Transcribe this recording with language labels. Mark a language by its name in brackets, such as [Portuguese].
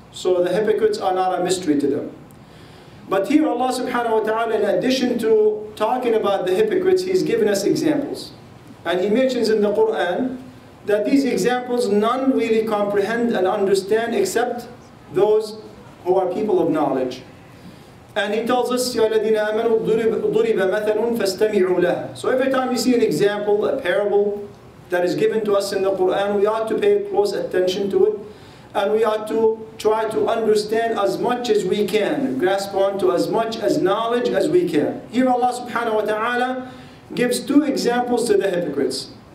[English] So the hypocrites are not a mystery to them. But here Allah subhanahu wa ta'ala, in addition to talking about the hypocrites, He's given us examples. And He mentions in the Quran that these examples none really comprehend and understand except those who are people of knowledge. And He tells us, [Arabic] يَا الَّذِينَ آمَنُوا ضُرِبَ مَثَلٌ فَاسْتَمِعُوا لَهُ. [English] So every time you see an example, a parable that is given to us in the Quran, we ought to pay close attention to it. And we ought to try to understand as much as we can, grasp onto as much as knowledge as we can. Here Allah subhanahu wa ta'ala gives two examples to the hypocrites.